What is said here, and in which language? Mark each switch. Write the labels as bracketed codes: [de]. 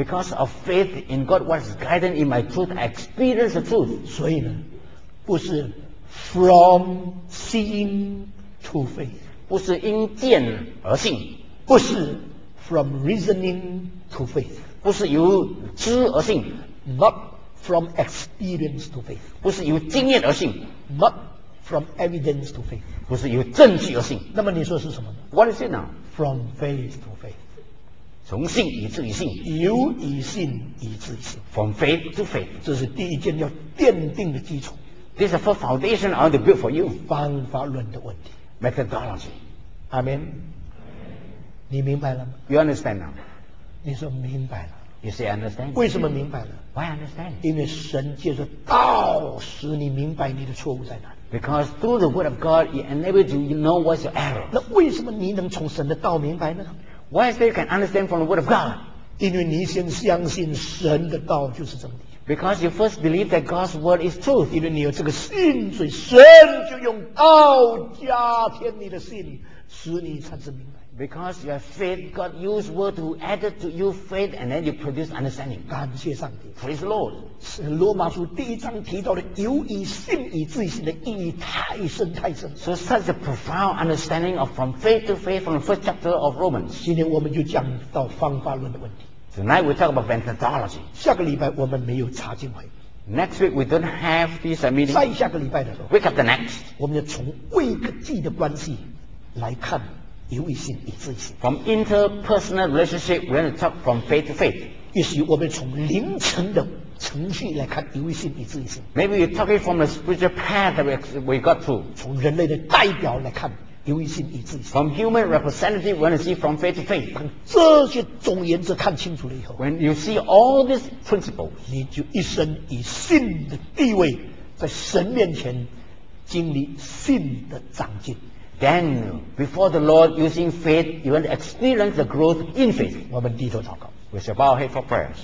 [en] Because of faith in God was guided in my truth, I experienced the truth. [zh] 所以呢，不是 [en] from seeing to faith， [zh] 不是因见而信，不是。 [en] From reasoning to faith， [zh] 不是由知而信 [en] ；not from experience to faith， [zh] 不是由经验而信 [en] ；not from evidence to faith， [zh] 不是由证据而信。那么你说是什么呢 [en] ？What is it now？ From faith to faith， [zh] 从信以至于信，由以信以至于信。 [en] From faith to faith， [zh] 这是第一件要奠定的基础。 [en] This is the first foundation I want to build for you。 [zh] 方法论的问题 [en] ，methodology。 [zh] 阿门。你明白了吗 [en] ？You understand now？ [zh] 你说明白了。 [en] You say understand？ [zh] 为什么明白了 [en] ？Why understand？ [zh] 因为神借着道使你明白你的错误在哪里。 [en] Because through the word of God, it enables you to know what's your error。 [zh] 那为什么你能从神的道明白呢 [en] ？Why is that you can understand from the word of God？ [zh] 因为你先相信神的道就是真理。 [en] Because you first believe that God's word is truth。 [zh] 因为你有这个信，所以神就用道加添你的信，使你产生明白。 [en] Because your faith, God used word to add it to your faith, and then you produce understanding. [zh] 感谢上帝 [en] Praise the Lord. [zh] 是罗马书第一章提到的由以信以至于信的意义太深太深 [en] So such a profound understanding of from faith to faith from the first chapter of Romans. [zh] 今天我们就讲到方法论的问题 [en] Tonight we talk about methodology. [zh] 下个礼拜我们没有查经会 [en] Next week we don't have this meeting. [zh] 再下个礼拜的时候 [en] Wake up the next. [zh] 我们要从位格记的关系来看。由于信以至于信 [en] From interpersonal relationship we're going to talk from faith to faith [zh] 也许我们从灵层的程序来看由于信以至于信 [en] Maybe you're talking from the spiritual path that we got to [zh] 从人类的代表来看由于信以至于信 [en] From human representative we're going to see from faith to faith [zh] 当这些总原则看清楚了以后 [en] When you see all these principles [zh] 你就一生以信的地位在神面前经历信的长进 [en] Then, before the Lord, using faith, you want to experience the growth in faith. [zh] 我们低头祷告。 [en] We shall bow our head for prayers.